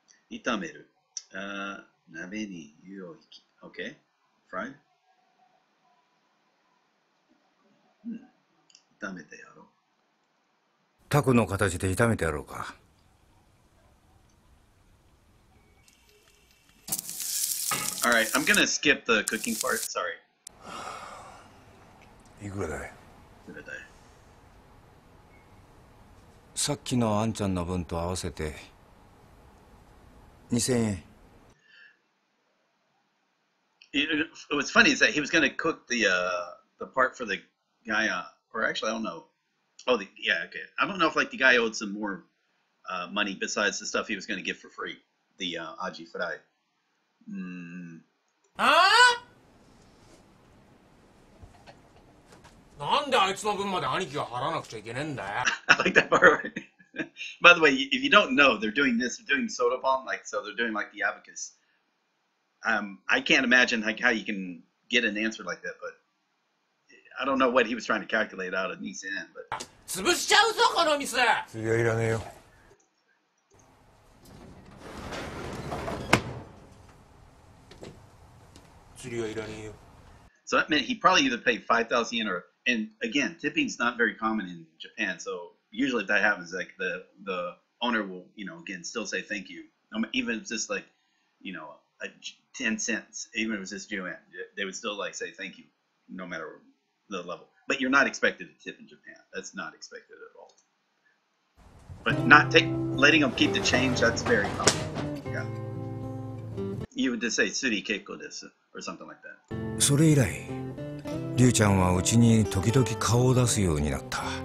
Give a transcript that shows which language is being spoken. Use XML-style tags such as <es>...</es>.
<ja>炒める。鍋に湯を引き。</ja> <en>OK? Fry?、</en> <ja>炒めてやろう。タコの形で炒めてやろうか。</ja> <en>All right, I'm gonna skip the cooking part, sorry.</en> <ja>いくらだい？いくらだい？さっきのあんちゃんの分と合わせて2000円。</ja> <en>It was funny that he was gonna cook the part for the guy, or actually, I don't know. Oh, okay. I don't know if like the guy owed some more money besides the stuff he was gonna get for free, the aji fry.</en> <ja>なんであいつの分まで兄貴が払わなくちゃいけねえんだよ。</ja> <en>I like that part. By the way, if you don't know, they're doing this, they're doing soda bomb, like, so they're doing like the abacus. I can't imagine like how you can get an answer like that, but I don't know what he was trying to calculate out of Nissan, but...</en> <ja>潰しちゃうぞ、この店。次はいらねえよ。</ja> <en>So that meant he probably either paid 5,000 yen or, and again, tipping's not very common in Japan, so usually if that happens, like the owner will, you know, again, still say thank you. Even if it's just like, you know, a 10 cents, even if it's just yuan, they would still like say thank you, no matter the level. But you're not expected to tip in Japan. That's not expected at all. But not letting them keep the change, that's very common. Yeah. You would just say,</en> <ja>suri keiko desu.</ja> <en>Or something like that.</en> <ja>それ以来、リュウちゃんはうちに時々顔を出すようになった。</ja>